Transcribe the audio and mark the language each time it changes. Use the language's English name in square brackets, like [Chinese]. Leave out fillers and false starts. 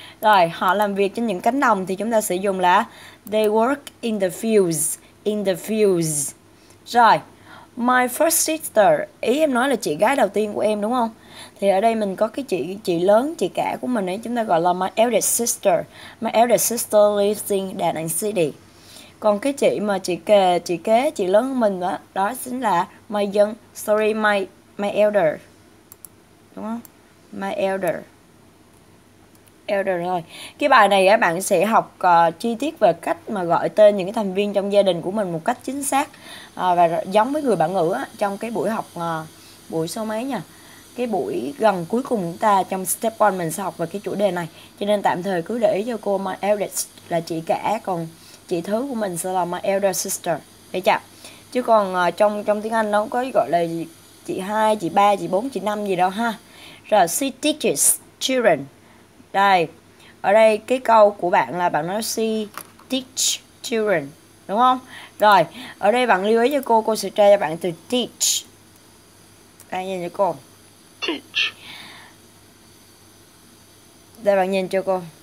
[Vietnamese] Rồi, họ làm việc trên những cánh đồng thì chúng ta sử dụng là [English] they work in the fields, in the fields. [Vietnamese] Rồi, my first sister, ý em nói là chị gái đầu tiên của em đúng không? Thì ở đây mình có cái chị lớn, chị cả của mình ấy, chúng ta gọi là [English] my eldest sister. My eldest sister lives in Đà Nẵng City. [Vietnamese] Còn cái chị mà chị kế, chị lớn hơn mình đó, đó chính là [English] my young, sorry, my elder. [Vietnamese] Đúng không? My elder. Elder rồi. Cái bài này á bạn sẽ học chi tiết về cách mà gọi tên những cái thành viên trong gia đình của mình một cách chính xác, và giống với người bản ngữ á, trong cái buổi học buổi số mấy nha. cái buổi gần cuối cùng chúng ta trong step 1 mình sẽ học về cái chủ đề này. Cho nên tạm thời cứ để cho cô my eldest là chị cả, còn chị thứ của mình sẽ là [English] my elder sister. [Vietnamese] Để chạm. Chứ còn trong trong tiếng Anh nó có gọi là chị 2, chị 3, chị 4, chị 5 gì đâu ha. [English] Rồi, she teaches children. [Vietnamese] Đây, ở đây cái câu của bạn là bạn nói [English] she teach children, [Vietnamese] đúng không? Rồi, ở đây bạn lưu ý cho cô sẽ tra cho bạn từ teach. Đây, nhìn cho cô. [English] Teach. [Vietnamese] Đây, bạn nhìn cho cô.